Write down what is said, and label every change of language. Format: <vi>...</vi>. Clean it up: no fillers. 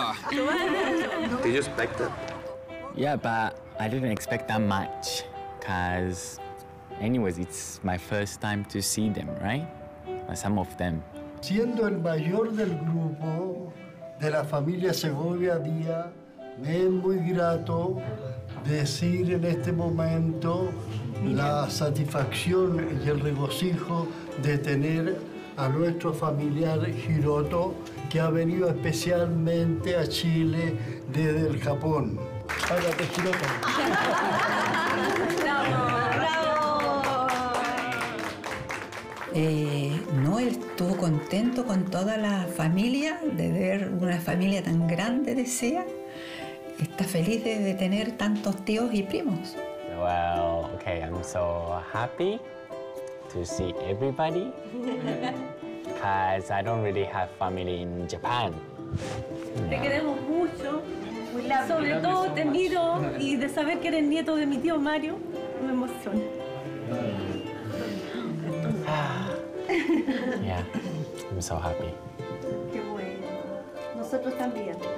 <en>Did you expect that? Yeah, but I didn't expect that much, because anyways, it's my first time to see them, right? Some of them.</en> <es>Siendo el mayor del grupo de la familia Segovia Díaz, me es muy grato decir en este momento la satisfacción y el regocijo de tener a nuestro familiar Giroto, que ha venido especialmente a Chile desde el Japón. ¡Hágate, Giroto! ¡Bravo! ¡Bravo! Noel estuvo contento con toda la familia, de ver una familia tan grande, decía. Está feliz de tener tantos tíos y primos.</es> <en>Well, okay, I'm so happy to see everybody because I don't really have family in Japan.</en> <es>Te queremos mucho, sobre todo te miro y de saber que eres nieto de mi tío Mario, me emociona.</es> <en>Yeah, I'm so happy.</en> <es>Qué bueno. Nosotros también.</es>